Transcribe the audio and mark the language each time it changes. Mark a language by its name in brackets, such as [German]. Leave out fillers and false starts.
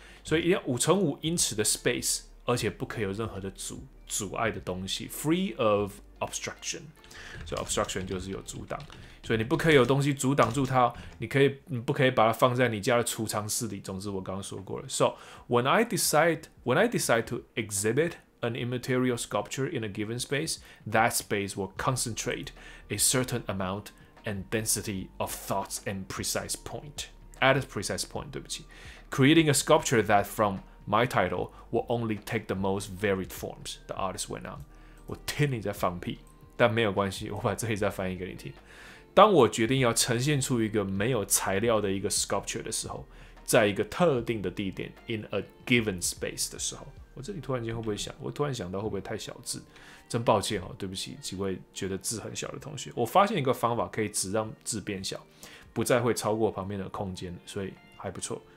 [Chinese] 所以一定要5x5英尺的 space， 而且不可以有任何的阻碍的东西 ， [English] free of obstruction。 [Chinese] 所以 obstruction 就是有阻挡，所以你不可以有东西阻挡住它。你不可以把它放在你家的储藏室里。总之我刚刚说过了。 [English] So when I decide to exhibit。 An immaterial sculpture in a given space, that space will concentrate a certain amount and density of thoughts and precise point. At a precise point, [Chinese] 对不起, [English] creating a sculpture that, from my title, will only take the most varied forms. The artist went on. [Chinese] 我听你在放屁，但没有关系，我把这里再翻译给你听。当我决定要呈现出一个没有材料的一个 sculpture 的时候，在一个特定的地点 ， [English] in a given space [Chinese] 的时候。我这里突然间会不会想？我突然想到会不会太小字？真抱歉哦，对不起几位觉得字很小的同学。我发现一个方法可以只让字变小，不再会超过旁边的空间，所以还不错。